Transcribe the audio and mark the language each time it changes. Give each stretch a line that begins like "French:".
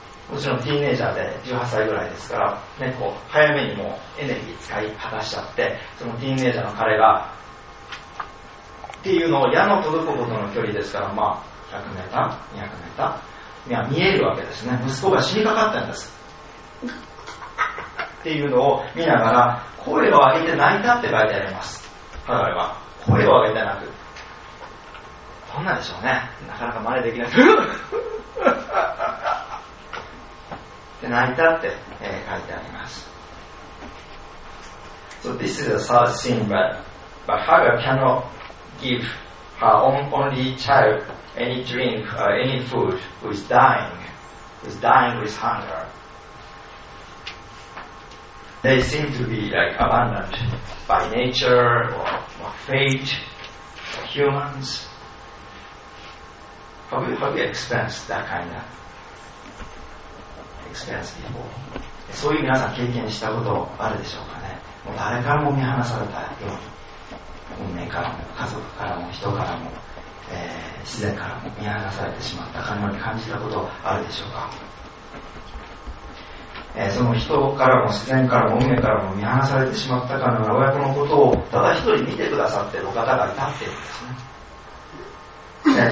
Japanese: もちろんティーネイジャーで18歳ぐらいですから、ね、こう早めにもうエネルギー使い果たしちゃって、そのティーネイジャーの彼がっていうのを矢の届くことの距離ですから、まあ100メーター200メーターいや見えるわけですね。息子が死にかかったんですっていうのを見ながら声を上げて泣いたって書いてあります。ハガルは声を上げて泣く、どんなんでしょうね、なかなか真似できないって泣いたって、書いてあります。
English: So this is a sad scene, but Hagar cannot give her own only childany drink, any food, who is dying with hunger. They seem to be like abandoned by nature or fate or humans. Have you experienced that kind of experience before?
Japanese: そういう皆さん経験したことあるでしょうかね。もう誰からも見放されたように、運命からも家族からも人からも、自然から見放されてしまったかのように感じたことはあるでしょうか。その人からも自然からも運命からも見放されてしまったかのような親子のことをただ一人見てくださっている方がいたっていうんですね。